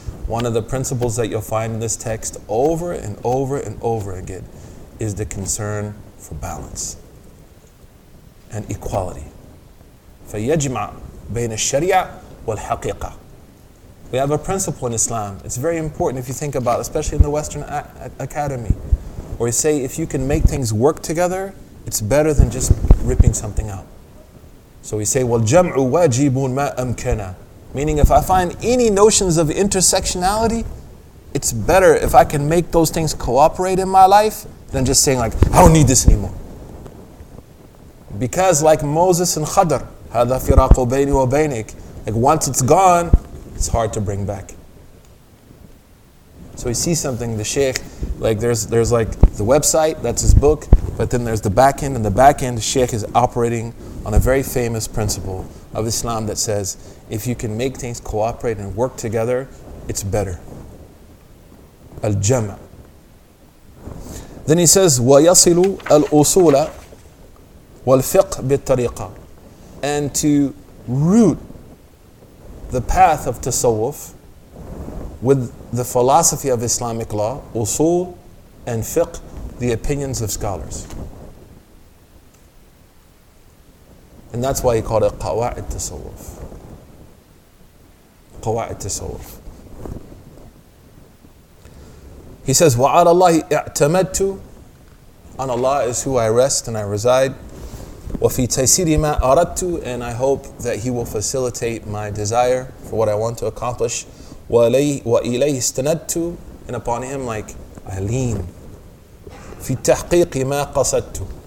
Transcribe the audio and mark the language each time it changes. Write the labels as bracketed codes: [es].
[en] One of the principles that you'll find in this text over and over and over again is the concern for balance and equality. [ar] فَيَجْمَعْ بَيْنَ الشَّرِيعَ وَالْحَقِيقَةِ. [en] We have a principle in Islam. It's very important if you think about it, especially in the Western Academy. Or you say, if you can make things work together, it's better than just ripping something out. So we say, [ar] وَالْجَمْعُ وَاجِبٌ مَا أَمْكَنَا. [en] Meaning, if I find any notions of intersectionality, it's better if I can make those things cooperate in my life than just saying, like, I don't need this anymore. Because like Moses and Khadr, [ar] هَذَا فِرَاقُ بَيْنِ وَبَيْنِكَ. [en] Like, once it's gone, it's hard to bring back. So we see something, the sheikh, like there's like the website, that's his book, but then there's the back end, and the back end, the sheikh is operating on a very famous principle of Islam that says, if you can make things cooperate and work together, it's better. Al-jama. Then he says, [ar] وَيَصِلُ الْأُصُولَ وَالْفِقْ بِالطَّرِيقَ. [en] And to root the path of tasawwuf with the philosophy of Islamic law, usul and fiqh, the opinions of scholars. And that's why he called it qawa'id tasawwuf. Qawa'id tasawwuf. He says, [ar] وَعَلَى اللَّهِ اِعْتَمَدْتُ. [en] On Allah is who I rest and I reside. [ar] وَفِي تَيْسِيرِ مَا أَرَدْتُ. [en] And I hope that he will facilitate my desire for what I want to accomplish. [ar] وَإِلَيْهِ اسْتَنَدْتُ. [en] And upon him, like, I lean. [ar] فِي تَحْقِيقِ مَا قَصَدْتُ.